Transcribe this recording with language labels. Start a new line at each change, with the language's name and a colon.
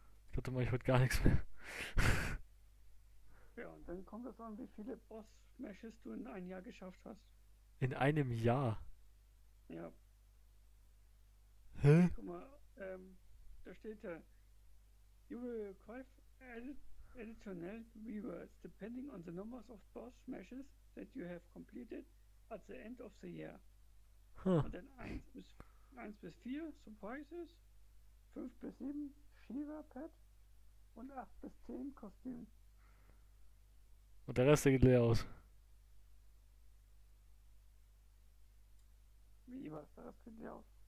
German: Ich dachte mal, ich würde gar nichts mehr. Ja, und dann kommt es an, wie viele Boss-Smashes du in einem Jahr geschafft hast. In einem Jahr. Ja. Hä? Guck mal, da steht da:
English: You will require additional rewards depending on the numbers of boss-Smashes that you have completed at the end of the year. Huh.
German: Und dann 1 bis 4 Surprises, 5 bis 7 Shiva-Pet und 8 bis 10 Kostüme. Und der Rest geht leer aus. Wie war's? Das könnt ihr auch.